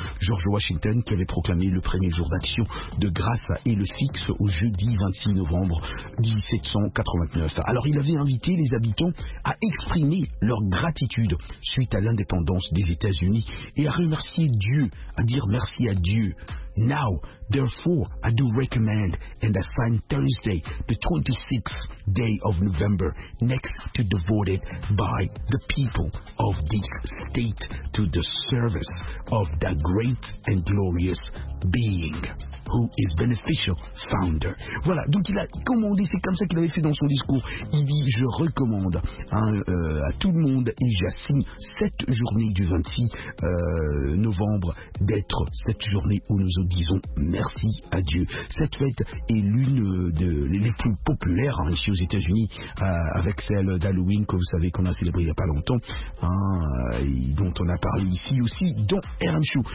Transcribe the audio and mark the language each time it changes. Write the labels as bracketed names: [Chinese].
[French] George Washington qui avait proclamé le premier jour d'action de grâce et le fixe au jeudi 26 novembre 1789, alors il avait invité les habitants à exprimer leur gratitude suite à l'indépendance des États-Unis et à remercier Dieu, à dire merci à Dieu. [English] Now, therefore, I do recommend and assign Thursday, the 26th day of November, next to devoted by the people of this state to the service of that great and glorious being who is beneficial founder. [French] Voilà, donc il a commandé, c'est comme ça qu'il avait fait dans son discours. Il dit, je recommande à tout le monde et j'assigne cette journée du 26 novembre d'être cette journée où nous disons merci à Dieu. Cette fête est l'une des plus populaires hein, ici aux États-Unis avec celle d'Halloween que vous savez qu'on a célébré il n'y a pas longtemps hein, et dont on a parlé ici aussi dans RM Show.